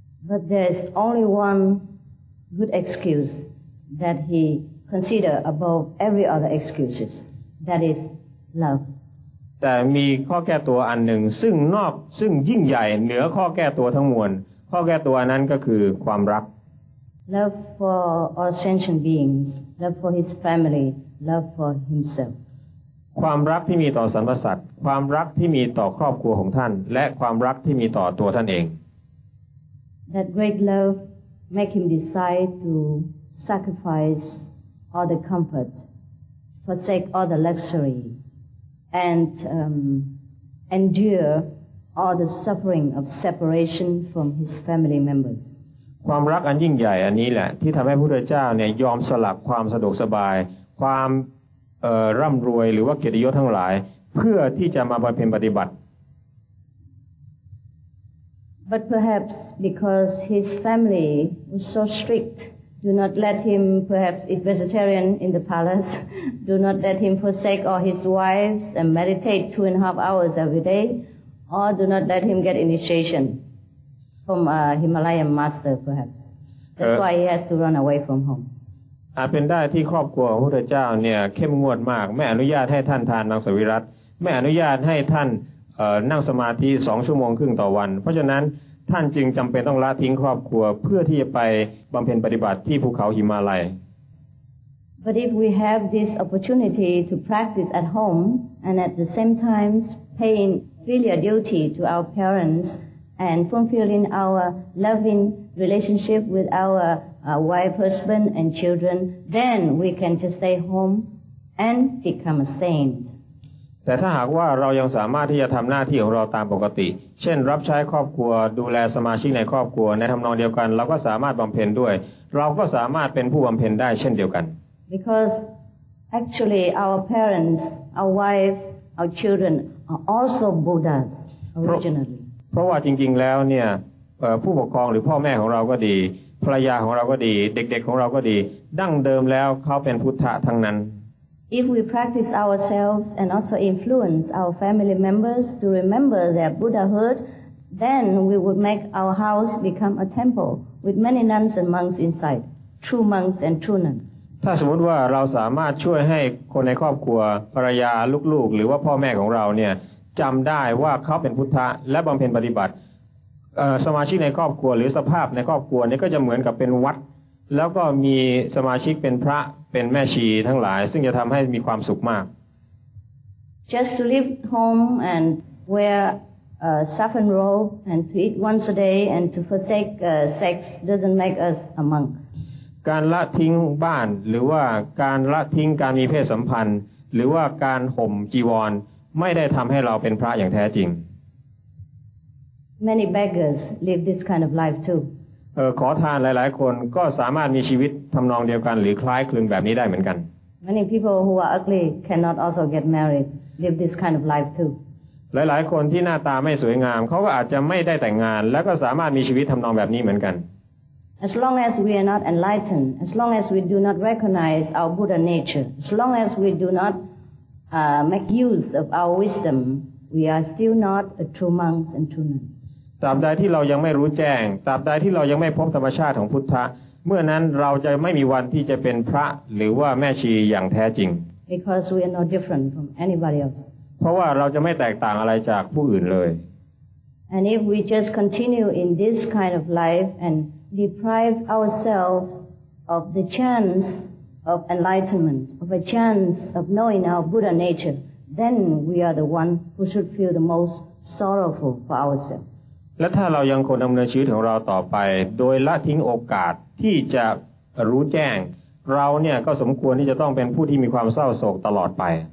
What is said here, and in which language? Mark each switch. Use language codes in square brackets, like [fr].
[en] But there's only one good excuse that he consider above every other excuses that is love. [th] แต่มีข้อแก้ตัวอันหนึ่งซึ่งยิ่งใหญ่เหนือข้อแก้ตัวทั้งมวลข้อแก้ตัวนั้นก็คือความรัก [en] Love for all sentient beings, love for his family, love for himself. [th] ความรักที่มีต่อสรรพสัตว์ความรักที่มีต่อครอบครัวของท่านและความรักที่มีต่อตัวท่านเอง [en] That great love make him decide to sacrifice all the comfort, forsake all the luxury. And endure all the suffering of separation from his family members. [th] ความรักอันยิ่งใหญ่อันนี้แหละที่ทำให้พระพุทธเจ้าเนี่ยยอมสละความสะดวกสบายความร่ำรวยหรือว่าเกียรติยศทั้งหลายเพื่อที่จะมาบำเพ็ญปฏิบัติ [en] But perhaps because his family was so strict do not let him perhaps eat vegetarian in the palace do not let him forsake all his wives and meditate 2.5 hours every day or do not let him get initiation from a Himalayan master perhaps that's why he has to run away from home [th] อาจเป็นได้ที่ครอบครัวพระพุทธเจ้าเนี่ยเข้มงวดมากไม่อนุญาตให้ท่านทานมังสวิรัตไม่อนุญาตให้ท่านนั่งสมาธิ2 ชั่วโมงครึ่งต่อวันเพราะฉะนั้นท่านจึงจำเป็นต้องละทิ้งครอบครัวเพื่อที่จะไปบำเพ็ญปฏิบัติที่ภูเขาหิมาลัย [en] But if we have this opportunity to practice at home and at the same time paying filial duty to our parents and fulfilling our loving relationship with oura wife, husband, and children, then we can just stay home and become a saint. [th] แต่ถ้าหากว่าเรายังสามารถที่จะทำหน้าที่ของเราตามปกติเช่นรับใช้ครอบครัวดูแลสมาชิกในครอบครัวในทำนองเดียวกันเราก็สามารถบำเพ็ญด้วยเราก็สามารถเป็นผู้บำเพ็ญได้เช่นเดียวกัน [en] Because actually our parents, our wives, our children are also Buddhas originally. [th] เพราะว่าจริงๆแล้วเนี่ยผู้ปกครองหรือพ่อแม่ของเราก็ดีภรรยาของเราก็ดีเด็กๆของเราก็ดีดั้งเดิมแล้วเขาเป็นพุทธะทั้งนั้น [en] If we practice ourselves and also influence our family members to remember their Buddhahood then we would make our house become a temple with many nuns and monks inside true monks and true nuns [th] ถ้าสมมติว่าเราสามารถช่วยให้คนในครอบครัวภรรยาลูกๆหรือว่าพ่อแม่ของเราเนี่ยจำได้ว่าเขาเป็นพุทธะและบำเพ็ญปฏิบัติสมาชิกในครอบครัวหรือสภาพในครอบครัวนี้ก็จะเหมือนกับเป็นวัดแล้วก็มีสมาชิกเป็นพระเป็นแม่ชีทั้งหลายซึ่งจะทำให้มีความสุขมาก [en] Just to leave home and wear a saffron robe and to eat once a day and to forsake sex doesn't make us a monk [th] การละทิ้งบ้านหรือว่าการละทิ้งการมีเพศสัมพันธ์หรือว่าการห่มจีวรไม่ได้ทำให้เราเป็นพระอย่างแท้จริง [en] Many beggars live this kind of life too. [th] ขอทานหลายๆคนก็สามารถมีชีวิตทำนองเดียวกันหรือคล้ายคลึงแบบนี้ได้เหมือนกัน [en] Many people who are ugly cannot also get married, live this kind of life too. [th] หลายๆคนที่หน้าตาไม่สวยงามเขาก็อาจจะไม่ได้แต่งงานแล้วก็สามารถมีชีวิตทำนองแบบนี้เหมือนกัน [en] As long as we are not enlightened, as long as we do not recognize our Buddha nature, as long as we do not make use of our wisdom, we are still not a true monks and true nuns. [th] ตราบใดที่เรายังไม่รู้แจ้งตราบใดที่เรายังไม่พบธรรมชาติของพุทธะเมื่อนั้นเราจะไม่มีวันที่จะเป็นพระหรือว่าแม่ชีอย่างแท้จริง [en] Because we are no different from anybody else [th] เพราะว่าเราจะไม่แตกต่างอะไรจากผู้อื่นเลย [en] And if we just continue in this kind of life and deprive ourselves of the chance of enlightenment of a chance of knowing our Buddha nature then we are the one who should feel the most sorrowful for ourselves [th] และถ้าเรายังคงดำเนินชีวิตของเราต่อไปโดยละทิ้งโอกาสที่จะรู้แจ้งเราเนี่ยก็สมควรที่จะต้องเป็นผู้ที่มีความเศร้าโศกตลอดไป